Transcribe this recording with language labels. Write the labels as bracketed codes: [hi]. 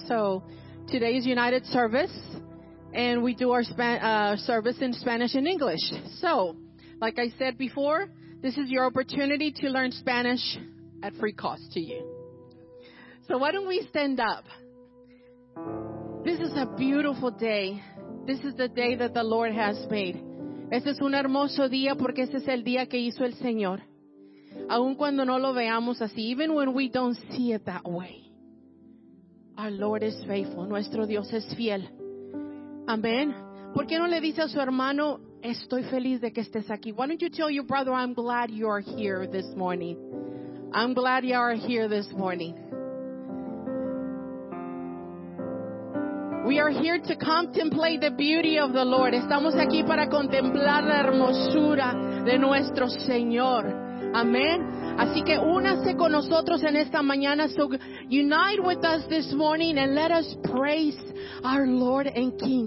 [en] So, today is United Service, and we do our service in Spanish and English. So, like I said before, this is your opportunity to learn Spanish at free cost to you. So, why don't we stand up? This is a beautiful day. This is the day that the Lord has made. [es] Este es un hermoso día porque este es el día que hizo el Señor. Aun cuando no lo veamos así, [en] even when we don't see it that way. Our Lord is faithful. [es] Nuestro Dios es fiel. [en] Amen. [es] ¿Por qué no le dice a su hermano, estoy feliz de que estés aquí? [en] Why don't you tell your brother, I'm glad you are here this morning. I'm glad you are here this morning. We are here to contemplate the beauty of the Lord. [es] Estamos aquí para contemplar la hermosura de nuestro Señor. Amén. Así que únase con nosotros en esta mañana. [en] So unite with us this morning and let us praise our Lord and King.